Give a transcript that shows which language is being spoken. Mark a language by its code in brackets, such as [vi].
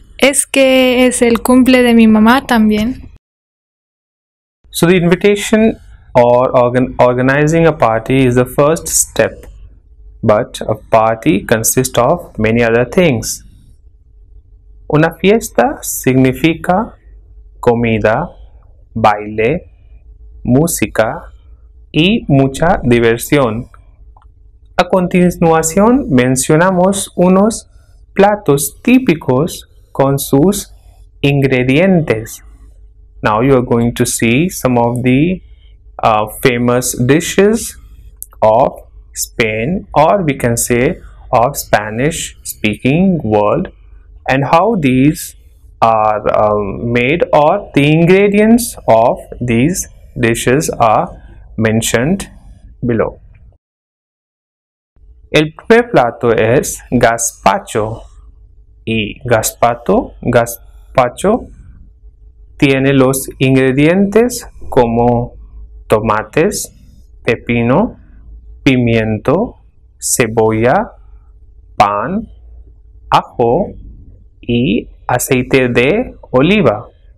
[es] Es que es el cumple de mi mamá también. [en] So the invitation or organizing a party is the first step. But a party consists of many other things. [es] Una fiesta significa comida, baile, música y mucha diversión. A continuación mencionamos unos platos típicos con sus ingredientes. [en] Now you are going to see some of the famous dishes of Spain, or we can say of Spanish speaking world, and how these are made, or the ingredients of these dishes are mentioned below. [es] El primer plato es gazpacho, y gazpacho tiene los ingredientes como tomates, pepino, pimiento, cebolla, pan, ajo y aceite de oliva.